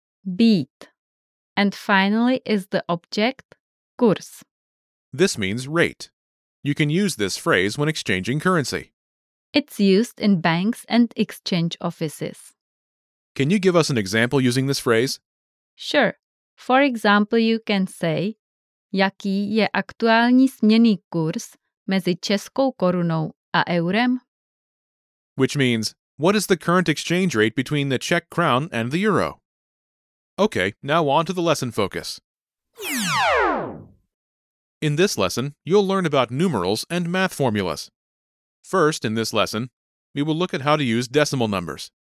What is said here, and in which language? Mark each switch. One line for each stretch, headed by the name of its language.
English: Být. And finally is the object kurz. This means rate. You can use this phrase when exchanging currency. It's used in banks and exchange offices. Can you give us an example using this phrase? Sure. For example, you can say,
Czech: jaký je aktuální směnný kurz mezi českou korunou a eurem?
English: Which means, what is the current exchange rate between the Czech crown and the euro? Okay, now on to the lesson focus. In this lesson, you'll learn about numerals and math formulas. First, in this lesson, we will look at how to use decimal numbers.